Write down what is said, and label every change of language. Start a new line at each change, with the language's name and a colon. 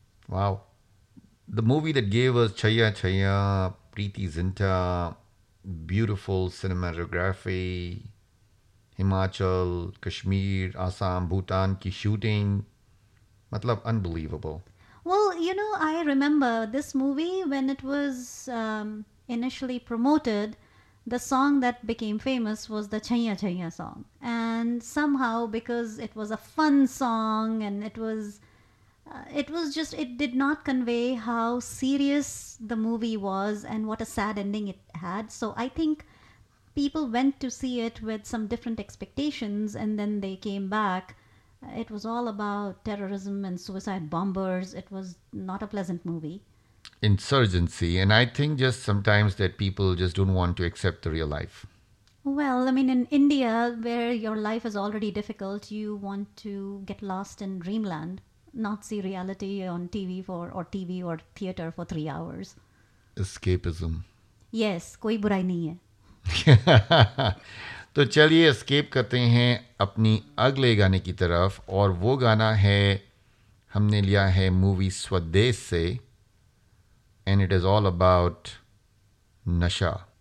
English: Wow. The movie that gave us Chhaiya Chhaiya, Preity Zinta, beautiful cinematography, Himachal, Kashmir, Assam, Bhutan की shooting, मतलब unbelievable. Well, you know, I remember this movie when it was initially promoted. The song that became famous was the Chhaiya Chhaiya song. And somehow, because it was a fun song and it did not convey how serious the movie was and what a sad ending it had. So I think people went to see it with some different expectations and then they came back. It was all about terrorism and suicide bombers. It was not a pleasant movie. Insurgency. And I think just sometimes that people just don't want to accept the real life. Well, I mean, in India, where your life is already difficult, you want to get lost in dreamland, not see reality on TV or theater for 3 hours. Escapism.
Hindi: Yes, koi burai nahi hai. तो चलिए escape करते हैं अपनी अगले गाने की तरफ, और वो गाना है, हमने लिया है मूवी स्वदेश से,
English: and it is all about
Hindi: नशा.